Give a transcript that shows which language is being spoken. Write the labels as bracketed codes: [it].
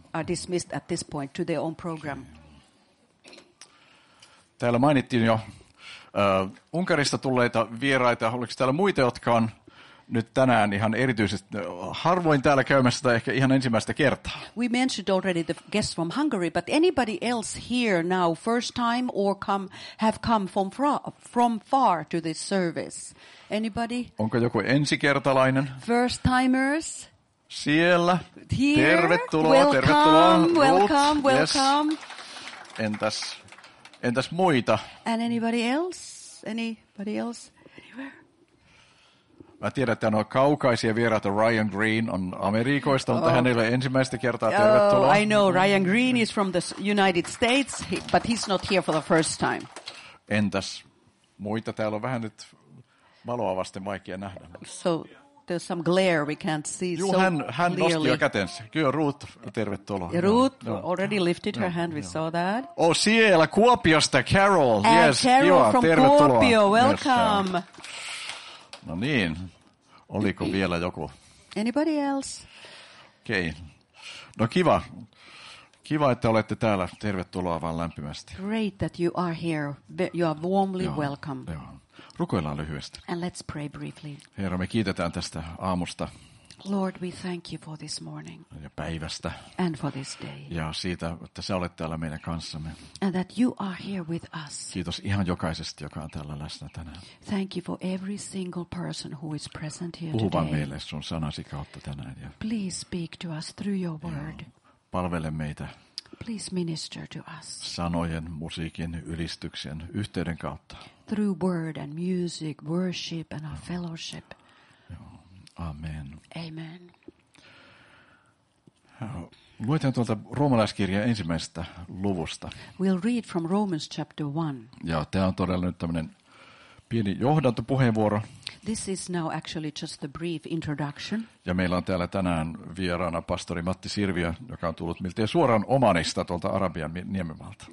[en] Are dismissed at this point to their own program. [fi] Täällä mainittiin jo Unkarista tulleita vieraita. Oliko täällä muita, jotka on nyt tänään ihan erityisesti harvoin täällä käymässä tai ehkä ihan ensimmäistä kertaa? [en] We mentioned already the guests from Hungary, but anybody else here now first time or have come from far to this service? Anybody? [fi] Onko joku ensikertalainen? [en] First timers? [fi] Siellä. [en] Here? [fi] Tervetuloa, [en] welcome, [fi] tervetuloa. [en] Welcome, Ruth. Welcome. [fi] Yes. Entäs muita? [en] And anybody else? Anybody else? Anywhere? [fi] Mä tiedän, että on kaukaisia vieraita. Ryan Green on Amerikoista, mutta hän ei ole ensimmäistä kertaa. Tervetuloa. [en] I know Ryan Green is from the United States, but he's not here for the first time. [fi] Entäs muita? Täällä on vähän nyt valoa vasten vaikea nähdä. [en] So there's some glare we can't see. [fi] Joo, [en] so [fi] hän nosti jo kätensä. Kyllä, Ruth, tervetuloa. [en] Ruth already lifted her hand, we saw that. [fi] Oh, siellä Kuopiosta, Carol. [en] And yes, Carol [fi] joo, [en] from [fi] tervetuloa. [en] Kuopio, welcome. [fi] No niin, oliko vielä joku? [en] Anybody else? [fi] Okei, no kiva. Kiva, että olette täällä. Tervetuloa vaan lämpimästi. [en] Great that you are here. You are warmly welcome. [fi] Rukoillaan lyhyesti. [en] And let's pray briefly. [fi] Herra, me kiitetään tästä aamusta. [en] Lord, we thank you for this morning. [fi] Ja päivästä. [en] And for this day. [fi] Ja siitä, että sä olet täällä meidän kanssamme. [en] And that you are here with us. [fi] Kiitos ihan jokaisesta, joka on täällä läsnä tänään. [en] Thank you for every single person who is present here today. [fi] Puhu vaan meille sun sanasi kautta tänään. Ja [en] please speak to us through your word. [fi] Palvele meitä. [en] Please minister to us. [fi] Sanojen, musiikin, ylistyksen, yhteyden kautta. [en] Through word and music, worship and our fellowship. [fi] Amen. [en] Amen. [fi] Luetaan tuolta roomalaiskirjan ensimmäisestä luvusta. [en] We'll read from Romans chapter 1. [fi] Ja tämä on todella nyt tämmöinen pieni johdantopuheenvuoro. [en] This is now actually just a brief introduction. [fi] Ja meillä on täällä tänään vieraana pastori Matti Sirviö, joka on tullut miltei suoraan Omanista tuolta Arabian niemimaalta.